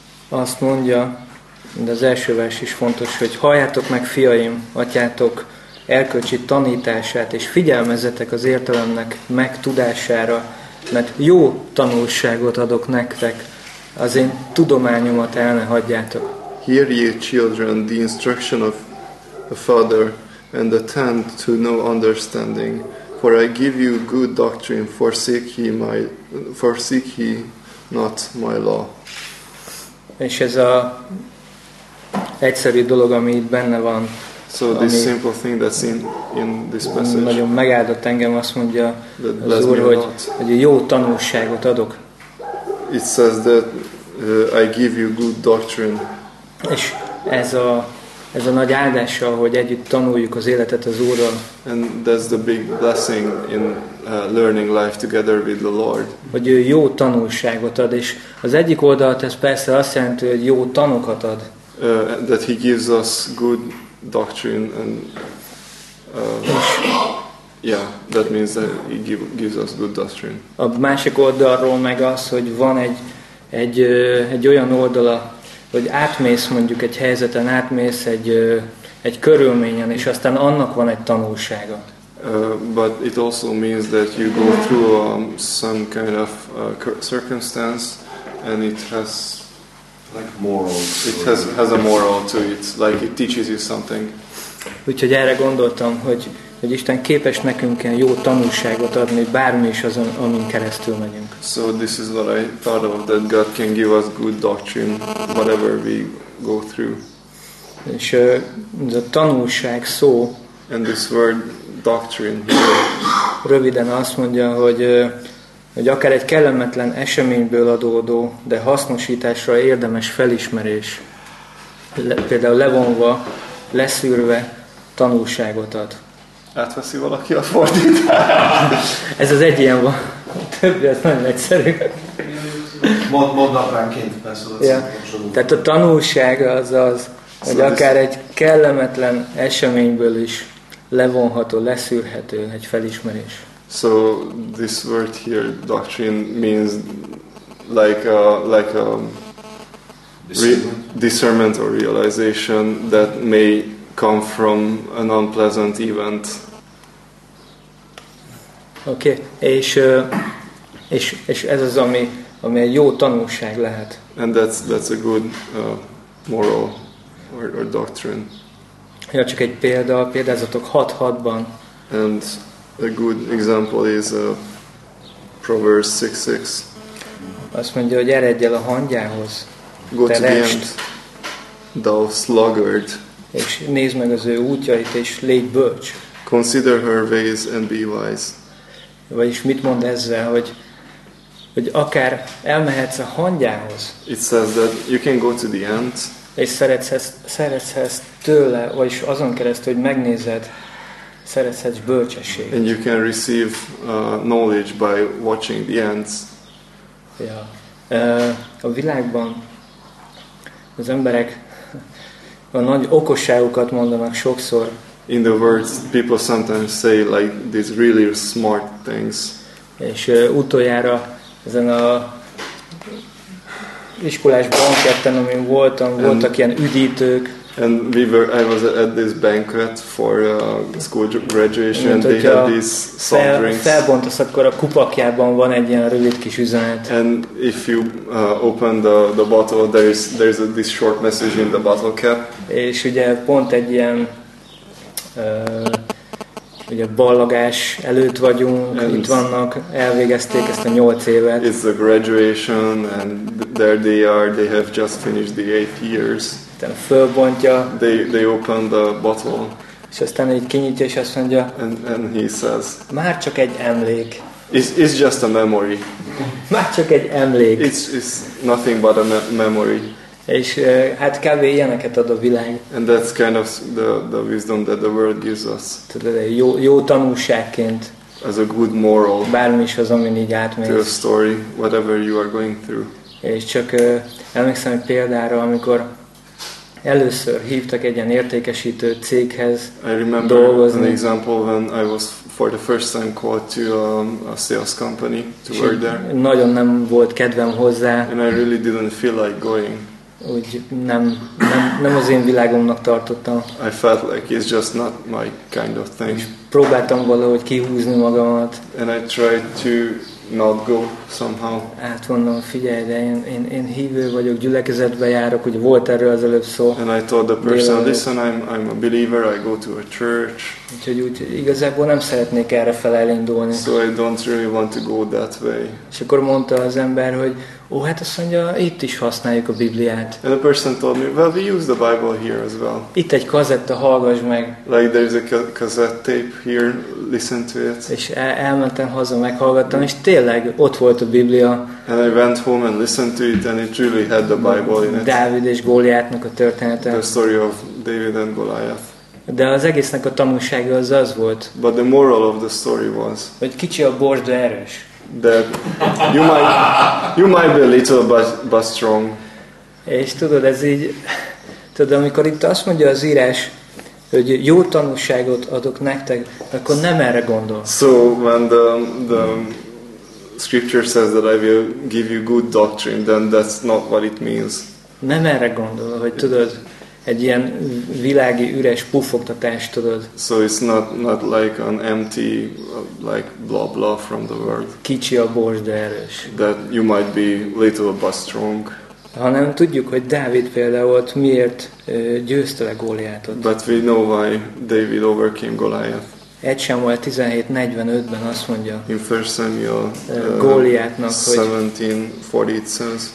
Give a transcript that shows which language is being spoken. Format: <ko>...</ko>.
<hu>Azt mondja, de az első vers is fontos, hogy halljátok meg, fiaim, atyátok erkölcsi tanítását, és figyelmezzetek az értelemnek megtudására, mert jó tanulságot adok nektek, az én tudományomat el ne hagyjátok.</hu> <en>Hear ye, children, the instruction of the father, and attend to no understanding. For I give you good doctrine, forsake ye not my law.</en> <hu>És ez a egyszerű dolog, ami itt benne van.</hu> <en>So this simple thing that's in this passage.</en> <hu>Nagyon megáldott engem, azt mondja az Úr, hogy jó tanulságot adok.</hu> <en>It says that I give you good doctrine.</en> <hu>És ez a nagy áldása, hogy együtt tanuljuk az életet az Úrral.</hu> <en>And that's the big blessing in learning life together with the Lord.</en> <hu>Hogy ő jó tanulságot ad, és az egyik oldalt ez persze azt jelenti, hogy jó tanokat ad.</hu> <en>That he gives us good doctrine and that means that he gives us good doctrine.</en> <hu>A másik oldalról meg az, hogy van egy olyan oldala, hogy átmész mondjuk egy helyzeten, átmész egy körülményen, és aztán annak van egy tanulsága.</hu> <en>But it also means that you go through some kind of circumstance, and it has like morals. It has a moral to it, like it teaches you something.</en> <hu>Úgyhogy erre gondoltam, hogy Isten képes nekünk ilyen jó tanulságot adni, bármi is azon, amin keresztül megyünk.</hu> <en>So this is what I thought of, that God can give us good doctrine, whatever we go through.</en> <hu>És a tanulság szó.</hu> <en>And this word doctrine.</en> <hu>Röviden azt mondja, hogy akár egy kellemetlen eseményből adódó, de hasznosításra érdemes felismerés. Például levonva, leszűrve tanulságot ad. Átveszi valaki a fordítást? Ez az egy ilyen van. A többi az nagyon egyszerű. Mondapránként persze. Ja. Tehát a tanulság az az, hogy akár egy kellemetlen eseményből is levonható, leszűrhető egy felismerés.</hu> <en>So this word here, doctrine, means like a discernment or realization that may come from an unpleasant event.</en> <hu>Okay, és ez az ami egy jó tanulság lehet.</hu> <en>And that's a good moral or doctrine.</en> <hu>Ja, csak egy példa, példázatok 6:6-ban.</hu> <en>And a good example is Proverbs 6:6.</en> <hu>Azt mondja, hogy eredj el a hangyához,</hu> <en>go te lest, thou sluggard,</en> <hu>és nézd meg az ő útjait, és légy bölcs.</hu> <en>Consider her ways and be wise.</en> <hu>Vagyis mit mond ezzel, hogy akár elmehetsz a hangyához.</hu> <en>It says that you can go to the ant.</en> <hu>És szeretsz tőle, vagyis azon keresztül, hogy megnézed, szeretsz bölcsességet.</hu> <en>And you can receive knowledge by watching the ants.</en> <hu>Ja. A világban az emberek a nagy okosságukat mondanak sokszor.</hu> <en>In the world, people sometimes say like these really smart things.</en> <hu>És utoljára ezen a iskolás banketten, amin voltam, voltak ilyen üdítők.</hu> <en>And I was at this banquet for school graduation, and they had these soft drinks.</en> <hu>Felbontasz, akkor a kupakjában van egy ilyen rövid kis üzenet.</hu> <en>And if you open the bottle, there's this short message in the bottle cap.</en> <hu>És ugye pont egy ilyen ugye ballagás előtt vagyunk,</hu> <en>and</en> <hu>itt vannak, elvégezték ezt a 8 évet.</hu> <en>It's the graduation, and there they are, they have just finished the 8 years.</en> <hu>Aztán fölbontja.</hu> <en>They open the bottle.</en> <hu>És aztán így kinyitja, és azt mondja.</hu> <en>And he says.</en> <hu>Már csak egy emlék.</hu> <en>It's just a memory.</en> <hu>Már csak egy emlék.</hu> <en>It's nothing but a memory.</en> <hu>És hát kb. Ilyeneket ad a világ.</hu> <en>And that's kind of the wisdom that the world gives us.</en> <hu>Tudod, jó tanulságként.</hu> <en>As a good moral.</en> <hu>Bármi is az, amin így átmész.</hu> <en>To a story, whatever you are going through.</en> <hu>És csak emlékszem egy példára, amikor először hívtak egy ilyen értékesítő céghez dolgozni.</hu> <en>I remember an example when I was for the first time called to a sales company to work there.</en> <hu>Nagyon nem volt kedvem hozzá.</hu> <en>And I really didn't feel like going.</en> <hu>Úgy nem az én világomnak tartottam.</hu> <en>I felt like it's just not my kind of thing.</en> <hu>Próbáltam valahogy kihúzni magamat.</hu> <en>And I tried to not go somehow.</en> <hu>Hát mondom, figyelj, de én hívő vagyok, gyülekezetbe járok, ugye volt erről az előbb szó.</hu> <en>And I told the person, listen, I'm a believer, I go to a church.</en> <hu>Úgyhogy igazából nem szeretnék erre fel elindulni.</hu> <en>So I don't really want to go that way.</en> <hu>És akkor mondta az ember, hogy ó, hát azt mondja, itt is használjuk a Bibliát.</hu> <en>And the person told me, well, we use the Bible here as well.</en> <hu>Itt egy kazetta, hallgass meg.</hu> <en>Like there's a cassette tape here, listen to it.</en> <hu>És elmentem haza, meghallgattam, és tényleg ott volt a Biblia.</hu> <en>And I went home and listened to it, and it really had the Bible in it.</en> <hu>Dávid és Góliátnak a története.</hu> <en>The story of David and Goliath.</en> <hu>De az egésznek a tanulsága az volt.</hu> <en>But the moral of the story was.</en> <hu>Hogy kicsi a bors, de erős.</hu> <en>That you might be a little but strong.</en> <hu>És tudod, ez így, tudod, amikor itt azt mondja az írás, hogy jó tanulságot adok nektek, akkor nem erre gondol.</hu> <en>So when the scripture says that I will give you good doctrine, then that's not what it means.</en> <hu>Nem erre gondol, hogy tudod, egy ilyen világi üres puffogtatást, tudod.</hu> <en>So it's not like an empty like blah blah from the world.</en> <hu>Kicsi a bors, de erős.</hu> <en>That you might be little but strong.</en> <hu>Hanem tudjuk, hogy Dávid például miért győzte le Góliátot.</hu> <en>But we know why David overcame Goliath.</en> <hu>1 Samuel 17:45-ben azt mondja.</hu> <en>In 1 Samuel</en> <hu>Góliátnak,</hu> <en>17:48 says.</en>